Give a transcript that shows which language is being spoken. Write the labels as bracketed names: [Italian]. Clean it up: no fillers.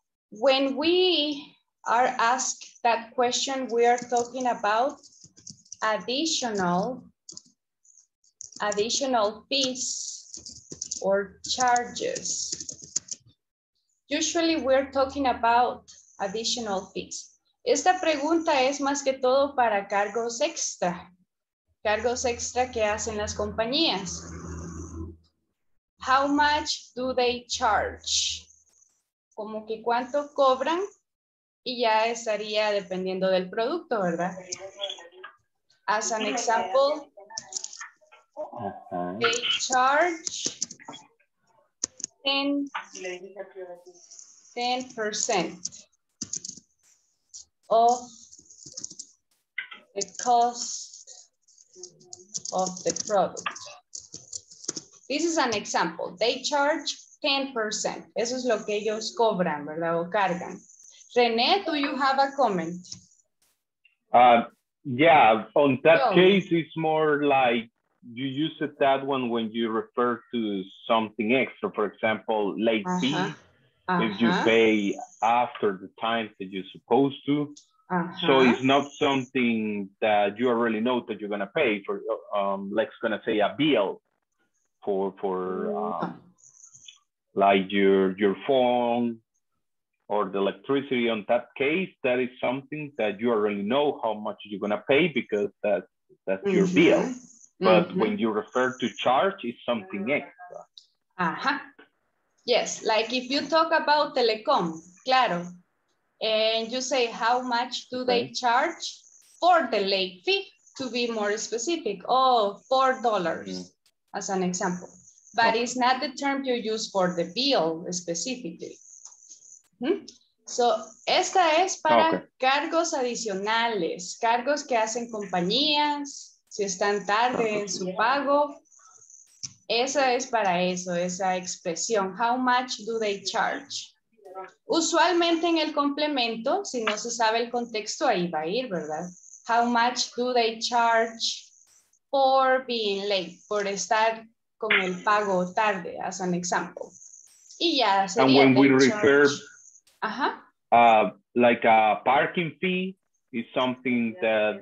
[English] When we are asked that question, we are talking about additional fees or charges. Usually we're talking about additional fees. [Spanish] Esta pregunta es más que todo para cargos extra. Cargos extra que hacen las compañías. [English] How much do they charge? [Spanish] Como que cuánto cobran y ya estaría dependiendo del producto, ¿verdad? [English] As an example, they charge 10% of the cost of the product. This is an example. They charge 10%. [Spanish] Eso es lo que ellos cobran, ¿verdad? O cargan. [English] René, do you have a comment? Yeah, on that case, it's more like you use it that one when you refer to something extra, for example, late fee. If you pay after the time that you're supposed to. So it's not something that you already know that you're going to pay for, like, going to say a bill for like your phone or the electricity. On that case, that is something that you already know how much you're going to pay because that's mm-hmm. your bill. But when you refer to charge, it's something extra. Yes, like if you talk about telecom, claro, and you say how much do they charge for the late fee, to be more specific, $4, as an example. But it's not the term you use for the bill specifically. [Spanish] So, esta es para cargos adicionales, cargos que hacen compañías, si están tarde en su pago. Esa es para eso, esa expresión. [English] How much do they charge? [Spanish] Usualmente en el complemento, si no se sabe el contexto, ahí va a ir, ¿verdad? [English] How much do they charge for being late? [Spanish] Por estar con el pago tarde, [English] as an example. [Spanish] Y ya sería. [English] And when we refer, like a parking fee is something that